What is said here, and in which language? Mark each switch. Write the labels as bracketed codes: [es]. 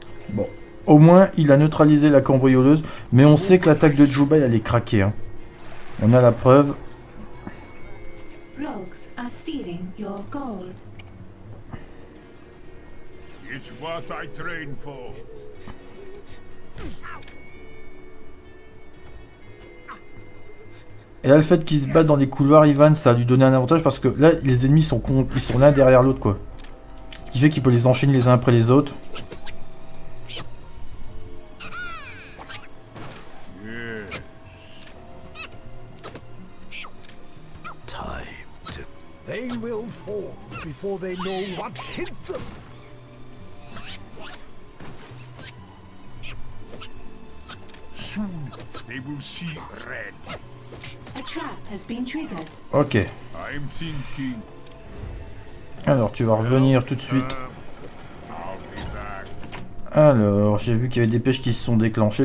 [fr] Bon. Au moins, il a neutralisé la cambrioleuse. Mais on sait que l'attaque de Jubai, elle est craquée. Hein. On a la preuve. [en] Rogues are stealing your gold. It's what I train for. [fr] Et là, le fait qu'il se batte dans les couloirs, Ivan, ça a lui donné un avantage. Parce que là, les ennemis sont ils sont l'un derrière l'autre. Quoi. Ce qui fait qu'il peut les enchaîner les uns après les autres. [en] Before they know what hit them. Soon they will see red. A trap has been triggered. Ok. I'm thinking. [fr] Alors tu vas revenir tout de suite. [en] I'll be back. [fr] Alors j'ai vu qu'il y avait des pêches qui se sont déclenchées.